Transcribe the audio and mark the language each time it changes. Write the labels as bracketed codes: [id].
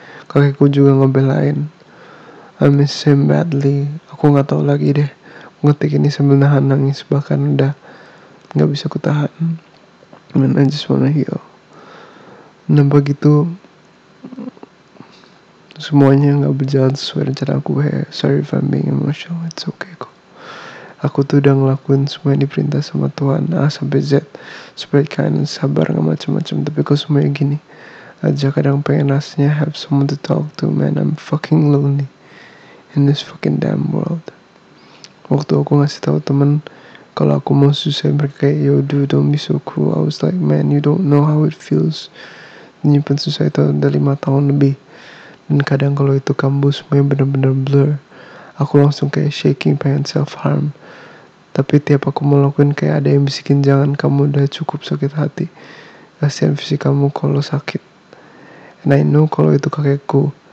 [id] Kakekku juga ngebelain. [en] I miss him badly. [id] Aku gak tahu lagi deh ngetik ini sambil nahan nangis, bahkan udah gak bisa kutahan. [en] And I just wanna heal. [id] Nampak gitu semuanya gak berjalan sesuai rencana aku. [en] Sorry if I'm being emotional, it's okay kok. [id] Aku tuh udah ngelakuin semua yang diperintah sama Tuhan A sampai Z, [en] spread kindness, [id] sabar, gak macam-macam. Tapi kok semuanya gini aja, kadang pengen rasanya [en] have someone to talk to. Man, I'm fucking lonely in this fucking damn world. [id] Waktu aku ngasih tahu temen kalau aku mau susah, mereka kayak, [en] yo dude, don't be so cruel. I was like, man, you don't know how it feels. [id] Nyimpen susah itu udah 5 tahun lebih. Dan kadang kalau itu kambuh, semuanya benar-benar blur. Aku langsung kayak shaking, pengen self-harm. Tapi tiap aku mau lakuin, kayak ada yang bisikin, jangan, kamu udah cukup sakit hati. Kasihan fisik kamu kalau sakit. [en] And I know [id] kalau itu kakekku.